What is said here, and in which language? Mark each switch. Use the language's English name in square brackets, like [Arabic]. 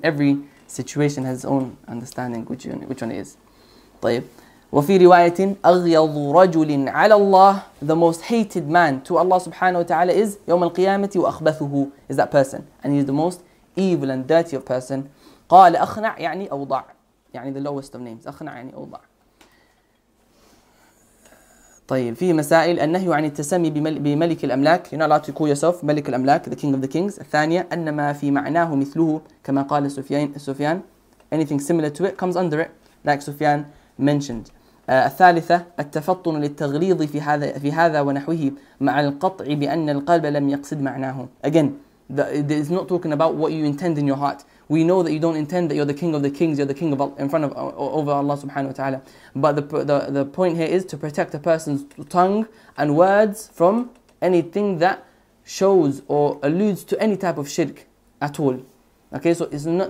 [English] Every situation has its own understanding, which one it is. [Arabic] طيب. وفي رواية أغيض رجل على الله, [English] the most hated man to Allah subhanahu wa ta'ala is [Arabic] يوم القيامة وأخبثه, [English] is that person. And he is the most evil and dirty of person. [Arabic] قال أخنع يعني أوضع, يعني [English] the lowest of names. [Arabic] أخنع يعني أوضع. طيب في مسائل النهي عن التسمي بملك الأملاك [English] you're not allowed to call yourself [Arabic] ملك الأملاك [English] the king of the kings [Arabic] الثانية أن ما في معناه مثله كما قال سفيان [English] anything similar to it comes under it like Sufyan mentioned [Arabic] الثالثة التفطن للتغليظ في هذا ونحوه مع القطع بأن القلب لم يقصد معناه [English] again there is not talking about what you intend in your heart we know that you don't intend that you're the king of the kings you're the king of in front of over Allah subhanahu wa ta'ala but the point here is to protect a person's tongue and words from anything that shows or alludes to any type of shirk at all okay so what's